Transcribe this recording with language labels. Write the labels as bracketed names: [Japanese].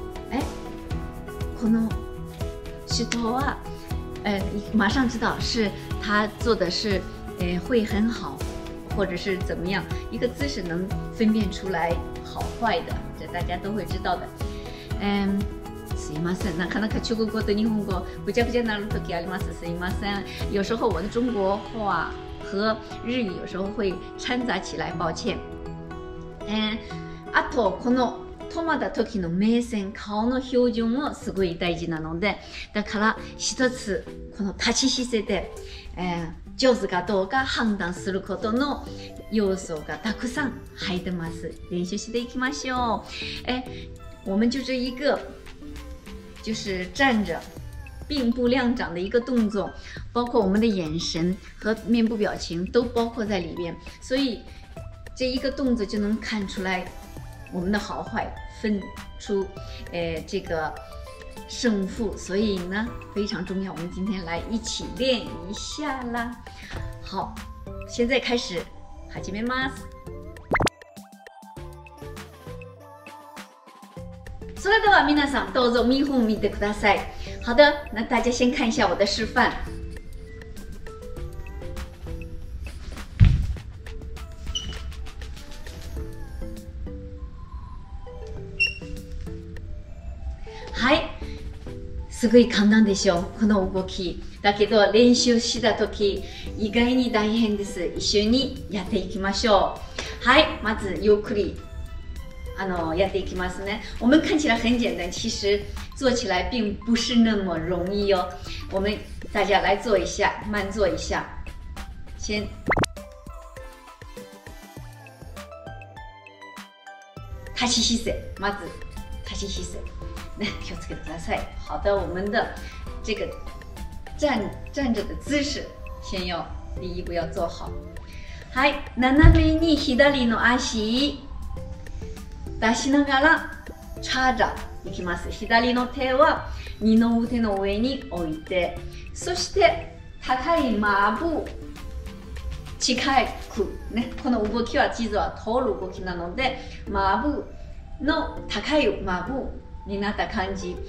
[Chinese] 哎， [Japanese] この姿勢は [Chinese] 马上知道是他做的是会很好，或者是怎么样，一个姿势能分辨出来好坏的，这大家都会知道的。 [Japanese] すいません、なかなか中国語と日本語ぐちゃぐちゃになる時あります。すいません、 [Chinese] 有时候我的中国话和日语有时候会掺杂起来，抱歉。 [Japanese] あとこの止まった時の目線、顔の表情もすごい大事なので、だから一つこの立ち姿勢で、上手かどうか判断することの要素がたくさん入ってます。練習していきましょう。 [Chinese] 我们就这一个、就是站着、并步亮掌的一个动作、包括我们的眼神和面部表情都包括在里面。所以、这一个动作就能看出来我们的好坏，分出这个胜负，所以呢非常重要，我们今天来一起练一下啦。好，现在开始， [Japanese] 始めます。それでは皆さんどうぞ見本見てください。 [Chinese] 好的，那大家先看一下我的示范。 [Japanese] はい、すごい簡単でしょう、この動き。だけど練習した時意外に大変です。一緒にやっていきましょう。はい、まずゆっくりやっていきますね。 [Chinese] 我们看起来很简单，其实做起来并不是那么容易哦。我们大家来做一下，慢做一下先。 [Japanese] 立ち姿勢，まず立ち姿勢気をつけてください。 [Chinese] 好的，我们的这个站着的姿势，先要第一步要做好。 [Japanese] はい、斜めに左の足出しながら叉掌いきます。左の手は二の腕の上に置いて、そして高い麻布近いくね、この動きは実は通る動きなので、麻布の高い麻布になった感じ。